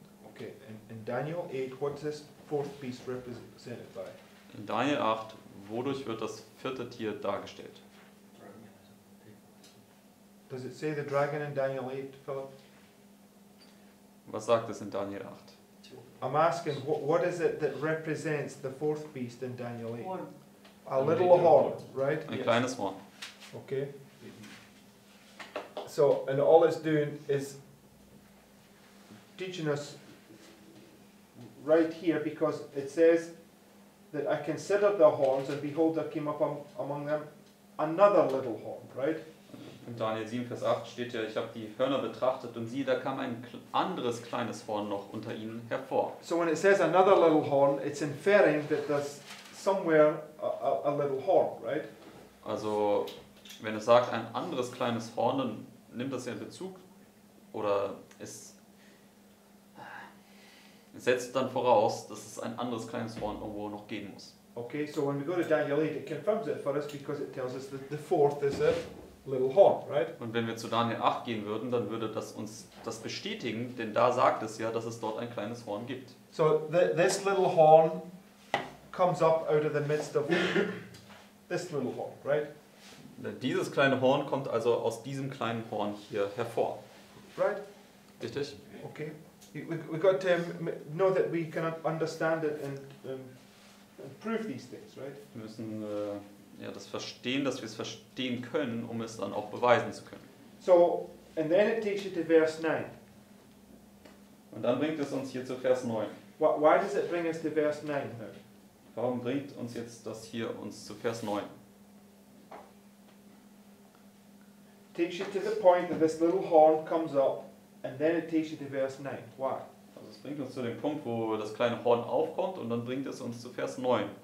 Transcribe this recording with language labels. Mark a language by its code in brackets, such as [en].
[en] Okay, in Daniel 8, what is this fourth beast represented by? [de] In Daniel 8, wodurch wird das vierte Tier dargestellt? [en] Does it say the dragon in Daniel 8, Philip? [de] Was sagt es in Daniel 8? [en] I'm asking, what is it that represents the fourth beast in Daniel 8? A little horn, right? [de] Ein kleines horn. [en] Okay. So, and all it's doing is teaching us right here, because it says that I considered the horns, and behold, there came up among them another little horn, right? [de] In Daniel 7, Vers 8 steht ja, ich habe die Hörner betrachtet und siehe, da kam ein anderes kleines Horn noch unter ihnen hervor. [en] So when it says another little horn, it's inferring that there's somewhere a little horn, right? [de] Also, wenn es sagt, ein anderes kleines Horn, dann nimmt das ja in Bezug, oder es setzt dann voraus, dass es ein anderes kleines Horn irgendwo noch geben muss. [en] Okay, so when we go to Daniel 8, it confirms it for us, because it tells us that the fourth is a little horn, right? [de] Und wenn wir zu Daniel 8 gehen würden, dann würde das uns das bestätigen, denn da sagt es ja, dass es dort ein kleines Horn gibt. [en] So, this little horn comes up out of the midst of this little horn, right? [de] Dieses kleine Horn kommt also aus diesem kleinen Horn hier hervor. [en] Right? [de] Richtig. [en] Okay. We got to know that we cannot understand it and prove these things, right? [de] Wir müssen ja das verstehen, dass wir es verstehen können, um es dann auch beweisen zu können. [en] So, and then it takes you to verse 9. [de] Und dann bringt es uns hier zu Vers 9. [en] Why does it bring us to verse 9 now? [de] Warum bringt uns jetzt das hier uns zu Vers 9? [en] Takes you to the point that this little horn comes up, and then it takes you to verse 9. Why? [de] Also es bringt uns zu dem Punkt, wo das kleine Horn aufkommt, und dann bringt es uns zu Vers 9.